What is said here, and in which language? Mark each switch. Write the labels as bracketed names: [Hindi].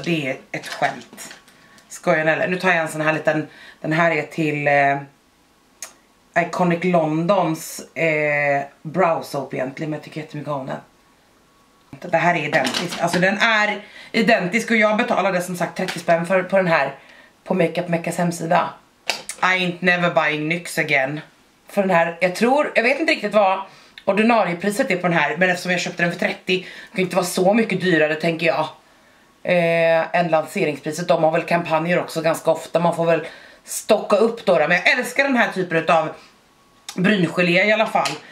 [Swedish] Det är ett skämt. Skojar eller? Nu tar jag en sån här liten. Den här är till... Iconic Londons brow soap egentligen, men jag tycker jättemycket om den. Det här är identiskt, alltså den är identisk och jag betalade som sagt 30 spänn för på den här på Makeup Meccas hemsida. [English] I ain't never buying NYX again. [Swedish] För den här, jag tror, jag vet inte riktigt vad ordinariepriset är på den här, men eftersom jag köpte den för 30, kan inte vara så mycket dyrare tänker jag. Än lanseringspriset, de har väl kampanjer också ganska ofta, man får väl stocka upp då, men jag älskar den här typen av bryngelé i alla fall.